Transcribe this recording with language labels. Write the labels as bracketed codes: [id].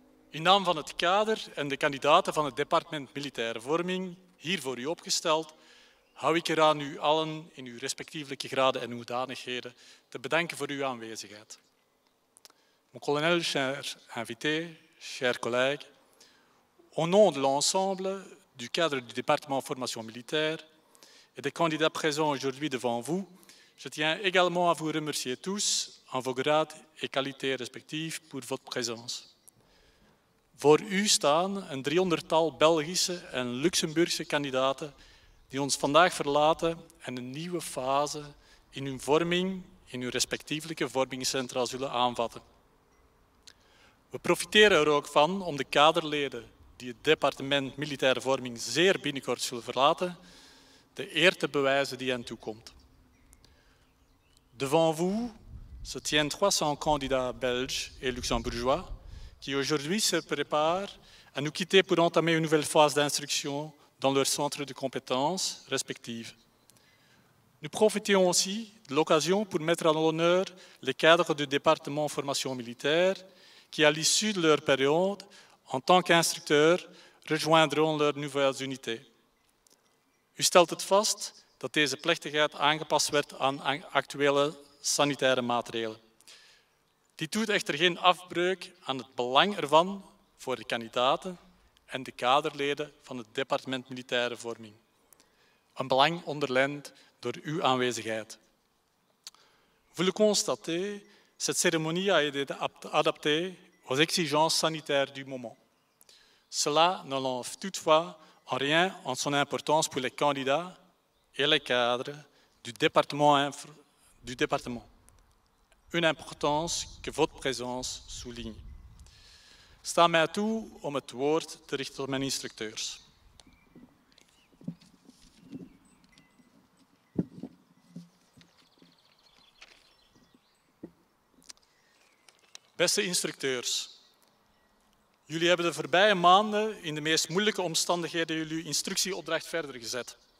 [nl] In naam van het kader en de kandidaten van het departement Militaire Vorming, hier voor u opgesteld, hou ik eraan u allen in uw respectievelijke graden en hoedanigheden te bedanken voor uw aanwezigheid. [fr] Mon colonel, cher invité, cher collègue, au nom de l'ensemble du cadre du département Formation Militaire et des candidats présents aujourd'hui devant vous, je tiens également à vous remercier tous, en vos grades et qualités respectives, pour votre présence. [nl] Voor u staan een 300-tal Belgische en Luxemburgse kandidaten die ons vandaag verlaten en een nieuwe fase in hun vorming, in hun respectievelijke vormingscentra zullen aanvatten. We profiteren er ook van om de kaderleden die het departement Militaire Vorming zeer binnenkort zullen verlaten, de eer te bewijzen die hen toekomt. [fr] Devant vous se tiennent 300 candidats belges et luxembourgeois qui aujourd'hui se préparent à nous quitter pour entamer une nouvelle phase d'instruction dans leurs centres de compétences respectifs. Nous profitons aussi de l'occasion pour mettre à l'honneur les cadres du département formation militaire qui, à l'issue de leur période, en tant qu'instructeurs, rejoindront leurs nouvelles unités. [nl] U stelt het vast dat deze plechtigheid aangepast werd aan actuele sanitaire maatregelen. Dit doet echter geen afbreuk aan het belang ervan voor de kandidaten en de kaderleden van het departement Militaire Vorming. Een belang onderlijnd door uw aanwezigheid. [fr] Vous le constatez, cette cérémonie a été adaptée aux exigences sanitaires du moment. Cela ne l'enlève toutefois en rien en son importance pour les candidats et les cadres du département. Une importance que votre présence souligne. [nl] Sta mij toe om het woord te richten tot mijn instructeurs. Beste instructeurs, jullie hebben de voorbije maanden in de meest moeilijke omstandigheden jullie instructieopdracht verder gezet.